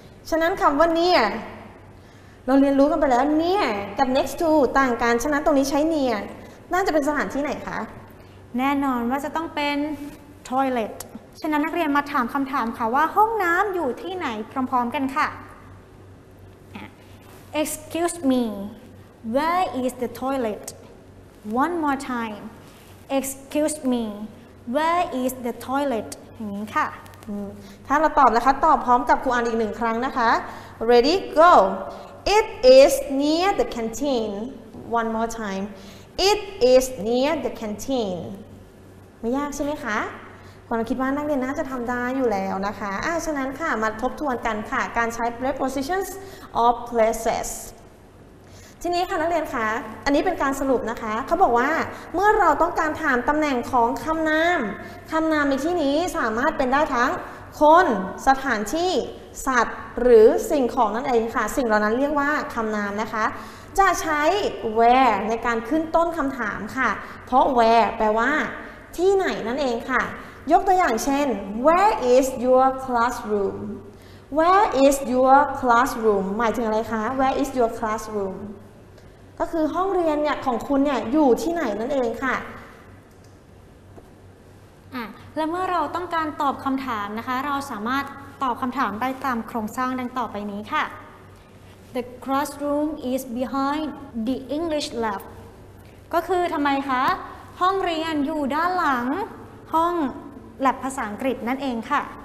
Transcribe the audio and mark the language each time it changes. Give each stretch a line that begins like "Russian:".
Thai: ฉะนั้นคำว่า near เราเรียนรู้กันไปแล้ว near กับ next to ต่างกันฉะนั้นตรงนี้ใช้ near น่าจะเป็นสถานที่ไหนคะ แน่นอนว่าจะต้องเป็น toiletฉะนั้นนักเรียนมาถามคำถามค่ะว่าห้องน้ำอยู่ที่ไหนพร้อมๆกันค่ะ
English: Excuse me Where is the toilet? One more time Excuse me Where is the toilet?
Thai: อย่างนี้ค่ะ ถ้าเราตอบนะคะตอบพร้อมกับครูอันอีกหนึ่งครั้งนะคะ Ready?
English: Go It is near the canteen
Thai: One more time It is near the canteen ไม่ยากใช่ไหมคะความคิดว่านักเรียนน่าจะทำได้อยู่แล้วนะคะฉะนั้นค่ะมาทบทวนกันค่ะการใช้ prepositions or places ทีนี้ค่ะนักเรียนคะอันนี้เป็นการสรุปนะคะเขาบอกว่าเมื่อเราต้องการถามตำแหน่งของคำนามคำนามในที่นี้สามารถเป็นได้ทั้งคนสถานที่สัตว์หรือสิ่งของนั่นเองค่ะสิ่งเหล่านั้นเรียกว่าคำนามนะคะจะใช้ where ในการขึ้นต้นคำถามค่ะเพราะ where แปลว่าที่ไหนนั่นเองค่ะยกตัวอย่างเช่น
English: Where is your classroom? Where is your classroom?
Thai: หมายถึงอะไรคะ
English: Where is your classroom?
Thai: ก็คือห้องเรียนเนี่ยของคุณเนี่ยอยู่ที่ไหนนั่นเองค่ะ และเมื่อเราต้องการตอบคำถามนะคะเราสามารถตอบคำถามได้ตามโครงสร้างดังต่อไปนี้ค่ะ
English: The classroom is behind the English lab
Thai: ก็คือทำไมคะห้องเรียนอยู่ด้านหลังห้องแล็บภาษาอังกฤษนั่นเองค่ะ